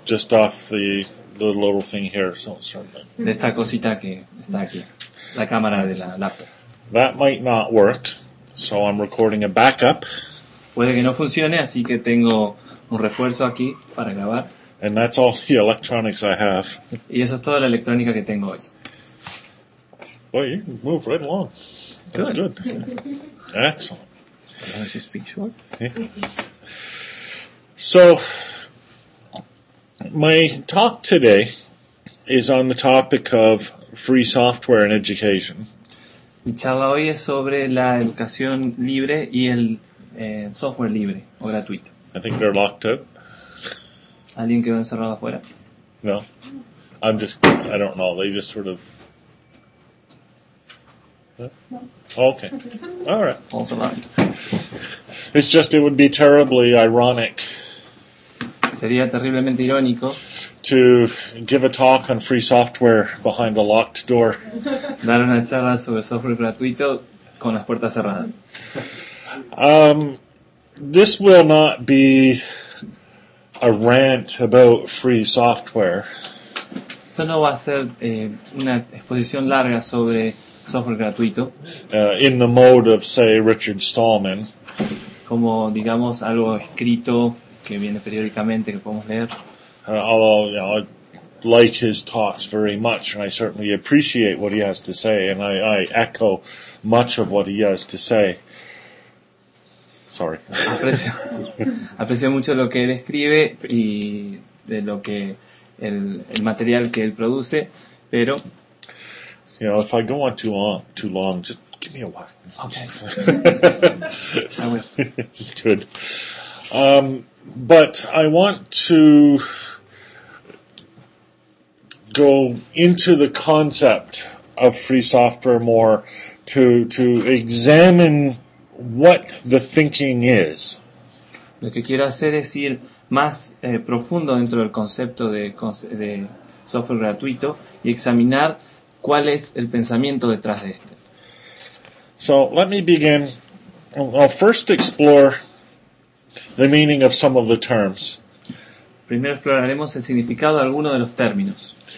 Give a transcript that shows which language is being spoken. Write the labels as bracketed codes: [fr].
[en] Just off the little thing here, so certainly. [es] De esta cosita que está aquí, la cámara de la laptop. [en] That might not work, so I'm recording a backup. [es] Puede que no funcione, así que tengo un refuerzo aquí para grabar. [en] And that's all the electronics I have. [es] Y eso es toda la electrónica que tengo hoy. [en] Boy, you can move right along. That's good. Excellent. Can I just speak short? So, my talk today is on the topic of free software and education. [es] Mi charla hoy es sobre la educación libre y el software libre o gratuito. [en] I think they're locked up. [es] ¿Alguien quedó encerrado afuera? [en] No. I don't know. They just sort of... Okay. All right. All's alive. It's just it would be terribly ironic... [es] Sería terriblemente irónico... [en] ...to give a talk on free software behind a locked door. [es] Dar una charla sobre software gratuito con las puertas cerradas. [en] This will not be... a rant about free software. [es] Esto no va a ser una exposición larga sobre software gratuito. [en] In the mode of, say, Richard Stallman. [es] Como, digamos, algo escrito que viene periódicamente que podemos leer. [en] Although, you know, I like his talks very much, and I certainly appreciate what he has to say, and I echo much of what he has to say. Sorry. [es] aprecio mucho lo que él escribe y de lo que el material que él produce, pero. [en] You know, if I go on too long, just give me a while. Okay. I will. It's good. But I want to go into the concept of free software more to examine. What the thinking is. [es] Lo que quiero hacer es ir más profundo dentro del concepto de software gratuito y examinar cuál es el pensamiento detrás de este. [en] So, let me begin. I'll first explore the meaning of some of the terms. [es] Primero exploraremos el significado de algunos de los términos.